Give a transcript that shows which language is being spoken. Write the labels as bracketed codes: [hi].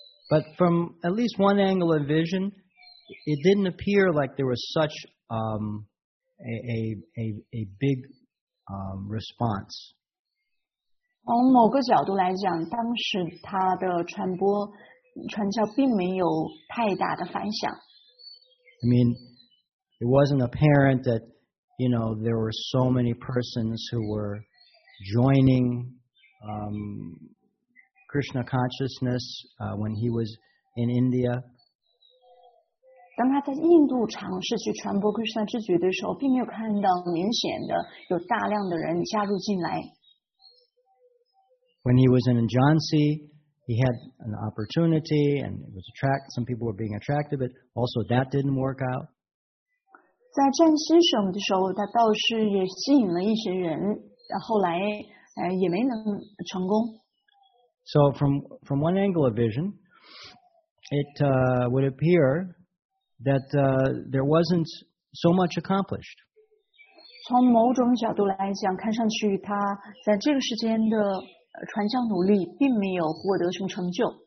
[en] But from at least one angle of vision, it didn't appear like there was such a big response. [zh] 从某个角度来讲，当时他的传教并没有太大的反响。 [en] I mean, it wasn't apparent that, you know, there were so many persons who were joining. Krishna consciousness when he was in India. [zh] 当他在印度尝试去传播 Krishna 之举的时候，并没有看到明显的有大量的人加入进来。 [en] When he was in Jhansi, he had an opportunity and it was attract, some people were being attracted, but also that didn't work out. [zh] 在湛西省的时候，他倒是也吸引了一些人，后来也没能成功。 [en] So from one angle of vision, it would appear that there wasn't so much accomplished. [zh] 从某种角度来讲，看上去他在这个时间的传教努力并没有获得什么成就。